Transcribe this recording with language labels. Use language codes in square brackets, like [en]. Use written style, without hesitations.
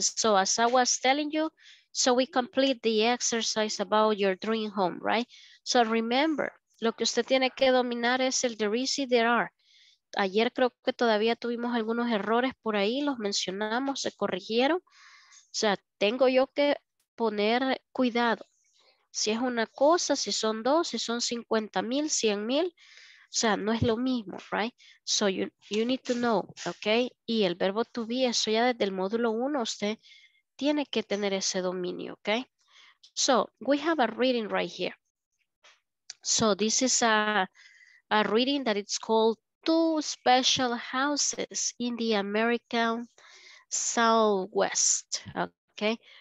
[en] So as I was telling you, so we complete the exercise about your dream home, right? So remember, [es] lo que usted tiene que dominar es el there is y there are. Ayer creo que todavía tuvimos algunos errores por ahí, los mencionamos, se corrigieron. O sea, tengo yo que poner cuidado. Si es una cosa, si son dos, si son 50 mil, 100 mil, o sea, no es lo mismo, right? [en] So you need to know, okay? [es] Y el verbo to be, eso ya desde el módulo 1 usted tiene que tener ese dominio, okay? [en] So we have a reading right here. So this is a reading that it's called Two Special Houses in the American Southwest, okay?